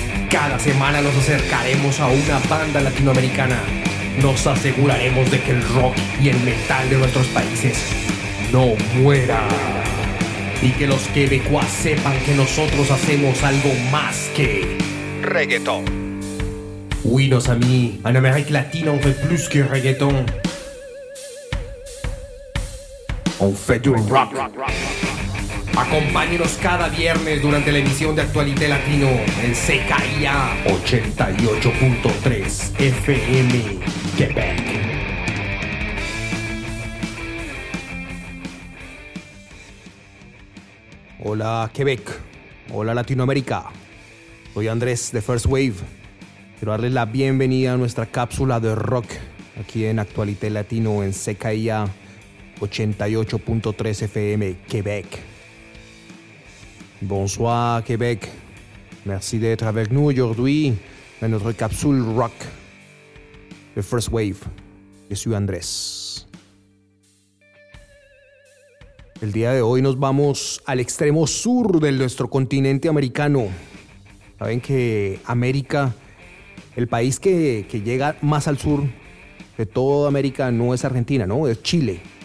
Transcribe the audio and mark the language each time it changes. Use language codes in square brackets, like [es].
[es] Cada semana nos acercaremos a una banda latinoamericana. Nos aseguraremos de que el rock y el metal de nuestros países no muera. Y que los quebecuas sepan que nosotros hacemos algo más que reggaeton. [fr] Oui, nos amis, en Amérique latine on fait plus que reggaeton. On fait du rock. [es] Acompáñenos cada viernes durante la emisión de Actualité Latino en CKIA 88.3 FM Quebec. Hola Quebec, hola Latinoamérica, soy Andrés de First Wave. Quiero darles la bienvenida a nuestra cápsula de rock aquí en Actualité Latino en CKIA 88.3 FM Quebec. [fr] Bonsoir Quebec, merci d'être avec nous aujourd'hui dans notre capsule rock de First Wave. Je suis Andrés. [es] El día de hoy nos vamos al extremo sur de nuestro continente americano. Saben que América, el país que llega más al sur de toda América, no es Argentina, ¿no? Es Chile.